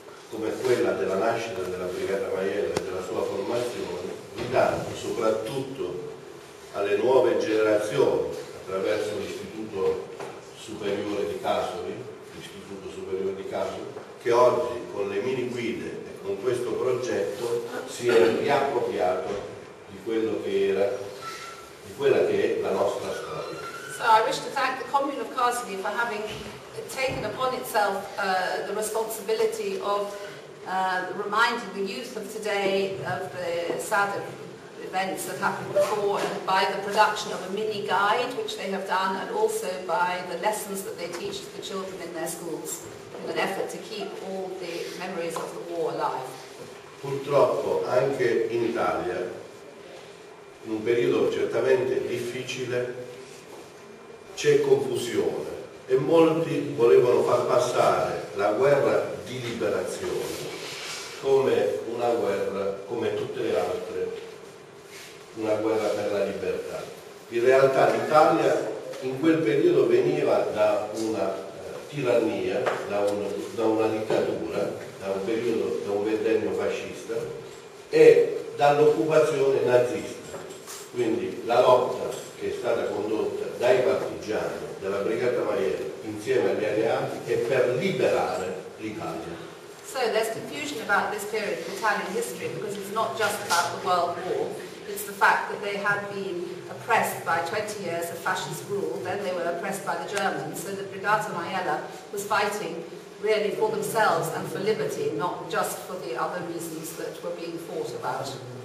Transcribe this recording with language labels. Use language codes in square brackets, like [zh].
[it] come quella della nascita della Brigata Maiella e della sua formazione, ridando soprattutto alle nuove generazioni attraverso l'Istituto Superiore di Casoli, l'Istituto Superiore di Casoli, che oggi con le mini guide e con questo progetto si è riappropriato di quello che era, di quella che è la nostra storia. [en] So I wish to thank the Commune of Casoli for having taken upon itself the responsibility of reminding the youth of today of the sad events of events that happened before, and by the production of a mini guide which they have done, and also by the lessons that they teach to the children in their schools in an effort to keep all the memories of the war alive. [it] Purtroppo anche in Italia, in un periodo certamente difficile, c'è confusione e molti volevano far passare la guerra di liberazione come una guerra, come tutte le altre, una guerra per la libertà. In realtà l'Italia in quel periodo veniva da una tirannia, da una dittatura, da un ventennio fascista e dall'occupazione nazista. Quindi la lotta che è stata condotta dai partigiani della Brigata Maiella insieme agli alleati è per liberare l'Italia. [en] So there's confusion about this period of Italian history because it's not just about the World War, it's the fact that they had been oppressed by 20 years of fascist rule, then they were oppressed by the Germans, so the Brigata Maiella was fighting really for themselves and for liberty, not just for the other reasons that were being fought about.